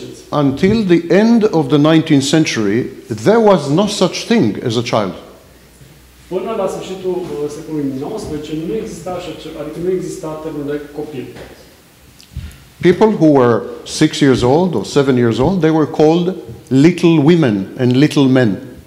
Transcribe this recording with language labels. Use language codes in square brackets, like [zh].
[en] Until the end of the 19th century, there was no such thing as a child. [ro] Până la sfârșitul secolului 19, nu exista așa ceva, adică nu exista termenul de copil. [en] People who were 6 years old or 7 years old, they were called little women and little men.